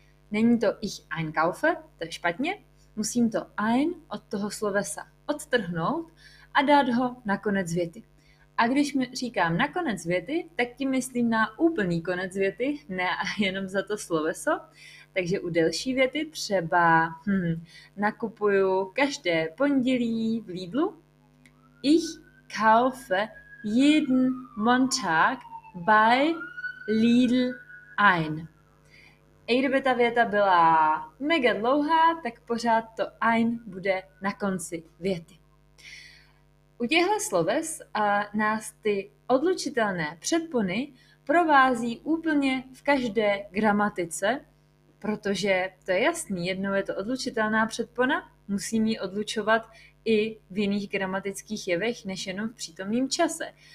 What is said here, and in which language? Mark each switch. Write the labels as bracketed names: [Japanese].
[Czech] Není to [German] ich einkaufe, [Czech] to je špatně. Musím to ein od toho slovesa odtrhnout a dát ho na konec věty. A když mi říkám na konec věty, tak tím myslím na úplný konec věty, ne jenom za to sloveso. Takže u delší věty třeba nakupuju každé pondělí v Lidlu. [German] Ich kaufe jeden Montag bei Lidl ein. [Czech] I kdyby ta věta byla mega dlouhá, tak pořád to ein bude na konci věty. U těchto sloves nás ty odlučitelné předpony provází úplně v každé gramatice, protože to je jasný, jednou je to odlučitelná předpona, musím ji odlučovat i v jiných gramatických jevech, než jenom v přítomném čase.